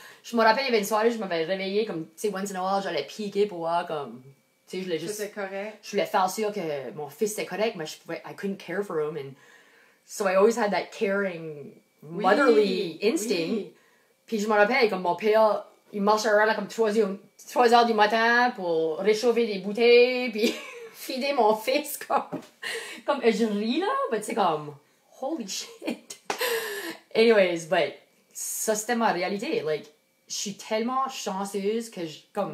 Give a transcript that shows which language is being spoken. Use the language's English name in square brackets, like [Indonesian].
[French] Je me rappelle, il y avait une soirée, je m'avais réveillée, comme, tu sais, [English] once in a while, [French] j'allais piquer pour voir, comme, tu sais, je voulais juste... C'était correct. Je voulais faire sûr que mon fils était correct, mais je pouvais... [English] I couldn't care for him, and... So I always had that caring, motherly oui, instinct. [French] Oui. Puis je me rappelle, comme, mon père, il marchait around, comme, 3 heures du matin pour réchauffer des bouteilles, puis fider mon fils, comme... Comme, je ris, là, mais c'est comme... [English] Holy shit! Anyways, but... [French] Ça, c'était ma réalité, like... Je suis tellement chanceuse que je, comme,